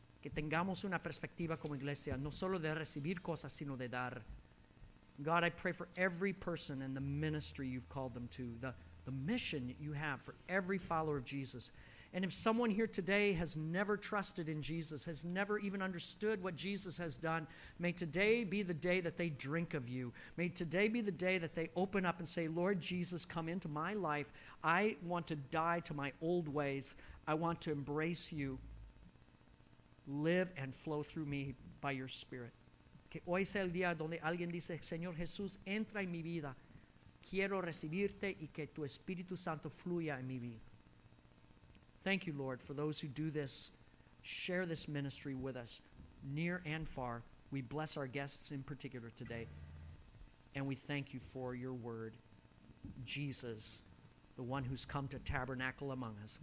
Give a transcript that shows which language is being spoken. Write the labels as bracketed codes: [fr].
[es] Que tengamos una perspectiva como iglesia, no solo de recibir cosas, sino de dar. [en] God, I pray for every person and the ministry you've called them to, the mission you have for every follower of Jesus. And if someone here today has never trusted in Jesus, has never even understood what Jesus has done, may today be the day that they drink of you. May today be the day that they open up and say, Lord Jesus, come into my life. I want to die to my old ways. I want to embrace you. Live and flow through me by your spirit. [es] Que hoy sea el día donde alguien dice, Señor Jesús, entra en mi vida. Quiero recibirte y que tu Espíritu Santo fluya en mi vida. [en] Thank you, Lord, for those who do this. Share this ministry with us, near and far. We bless our guests in particular today. And we thank you for your word, Jesus, the one who's come to tabernacle among us.